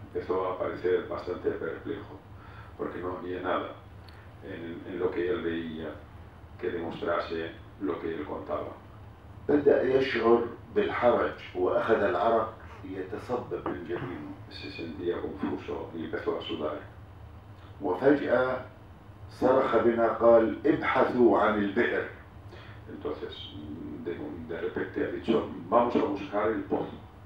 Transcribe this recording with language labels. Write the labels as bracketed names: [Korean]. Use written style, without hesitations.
[Spanish] Empezó a parecer bastante perplejo porque no había nada en lo que él veía que demostrase lo que él contaba. [Arabic] بدأ يشعر بالحرج وأخذ العرق يتصبب من جبينه. [Spanish] Se sentía confuso y empezó a sudar. [Arabic] وفجأة صرخ بنا قال ابحثوا عن البئر. [Spanish] Entonces de repente ha dicho vamos a buscar el pozo.